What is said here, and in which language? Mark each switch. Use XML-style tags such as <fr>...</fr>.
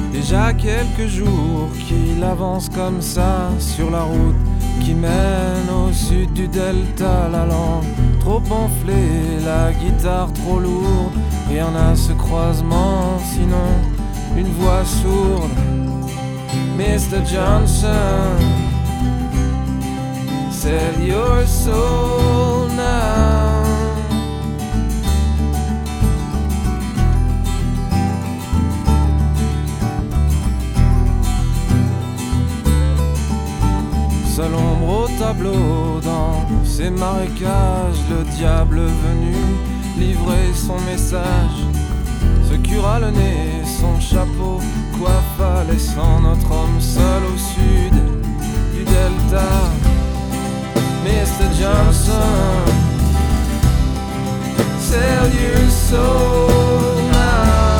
<fr>déjà quelques jours qu'il avance comme ça sur la route qui mène au sud du delta. La lampe trop enflée, la guitare trop lourde, rien à ce croisement sinon une voix sourde.</fr> <en>Mr. Johnson, sell your soul now.</en> <fr>Seule ombre au tableau, dans ces marécages, le diable venu livrer son message. Se cura le nez, son chapeau coiffa, laissant notre homme seul au sud du delta.</fr> <en>Mr. Johnson, sell your soul now.</en>